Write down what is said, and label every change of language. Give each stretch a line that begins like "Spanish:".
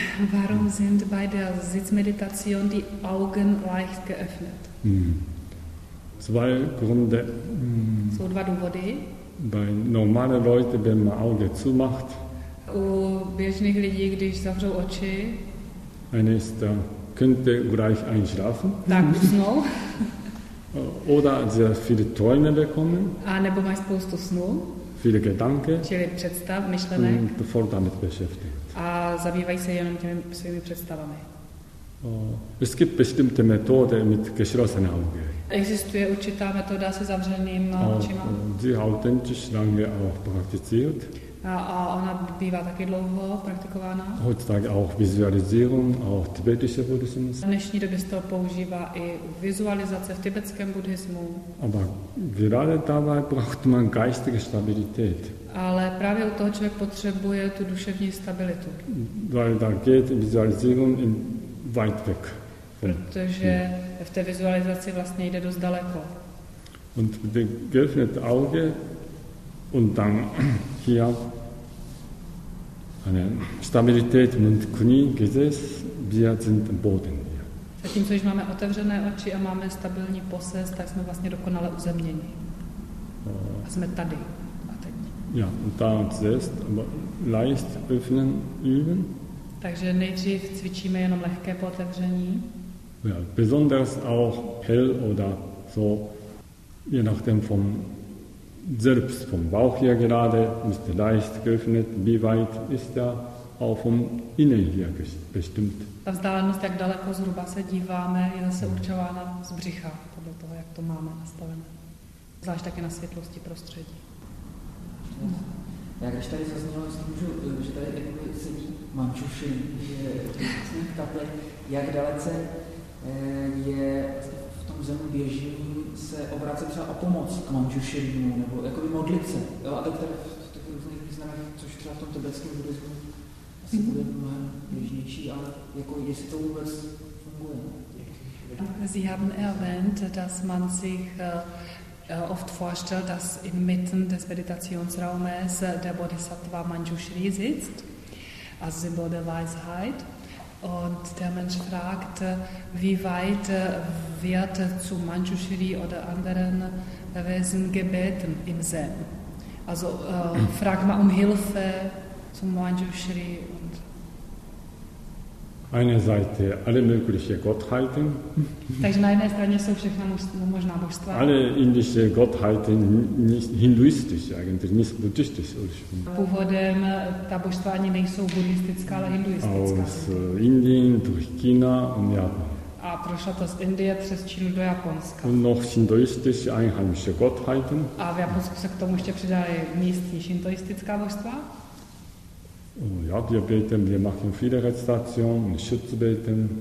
German: Warum sind bei der Sitzmeditation die Augen leicht geöffnet? Zwei Gründe.
Czech: So, dva důvody.
German: Bei normalen Leuten, wenn man Auge zumacht,
Czech: u běžných lidí, když zavřou oči.
German: Eine ist, könnte gleich einschlafen.
Czech: Tak usnou.
German: Oder sehr viele Träume bekommen.
Czech: A nebo mají spoustu snů.
German: Viele Gedanken.
Czech: Čili představ, myšlenek.
German: Und voll damit beschäftigt.
Czech: A zabývají se jenom těmi svými představami.
German: Es gibt bestimmte Methode mit geschlossenen Augen.
Czech: Existuje určitá metoda se zavřeným očima.
German: Die authentisch lange auch praktiziert.
Czech: A ona bývá taky dlouho praktikována.
German: Heutzutage auch Visualisierung, auch tibetischer Buddhismus.
Czech: V dnešní době se to používá i vizualizace v tibetském buddhismu.
German: Aber gerade dabei braucht man geistige Stabilität.
Czech: Ale právě u toho člověk potřebuje tu duševní stabilitu.
German: Weil da geht Visualisierung in weit weg.
Czech: Protože v té vizualizaci vlastně jde dost daleko.
German: Und die geöffnete Auge und dann hier eine Stabilität und Knie, Gesäß, wir sind am Boden hier.
Czech: Zatímco, když máme otevřené oči a máme stabilní posest, tak jsme vlastně dokonale uzemněni. A jsme tady a teď.
German: Ja, und da zuerst, aber leicht öffnen, üben.
Czech: Takže nejdřív cvičíme jenom lehké pootevření.
German: Ja, besonders auch hell oder so, je nachdem vom selbst vom Bauch hier gerade ist leicht geöffnet, wie weit ist er auch vom Innen hier bestimmt.
Czech: Ta vzdálenost, jak daleko zhruba se díváme, je zase určována z břicha, podle toho, jak to máme nastavené. Zvlášť také na světlosti prostředí. Já když tady zaznělo, že tady jakoby sedí mančušin, že je kaple, jak dalece je v tom zemi běží se obrátit třeba o pomoc k mančušinu, nebo jakoby modlit se, jo, a to v těch různých významech, což třeba v tom tibetském buddhismu asi bude mnohem běžnější, ale jako jestli to vůbec funguje.
German: Sie haben erwähnt, dass man sich oft vorstellt, dass inmitten des Meditationsraumes der Bodhisattva Manjushri sitzt, als Symbol der Weisheit. Und der Mensch fragt, wie weit wird zu Manjushri oder anderen Wesen gebeten im Zen. Also fragt man um Hilfe zum Manjushri. Und eine Seite alle möglichen Gottheiten.
Czech: Takže na jedné straně jsou všechna možná božstva.
German: Alle indische Gottheiten, nicht hinduistisch eigentlich, nicht buddhistisch.
Czech: Původem ta božstva ani nejsou buddhistická, ale hinduistická.
German: Aus Indien durch China und Japan.
Czech: A prošla to z Indie přes Čínu do Japonska.
German: Und noch hinduistische einheimische Gottheiten.
Czech: A v Japonsku se k tomu ještě přidali místní shintoistická božstva.
German: Ja, wir beten, wir machen viele Rezitationen, Schutzbeten.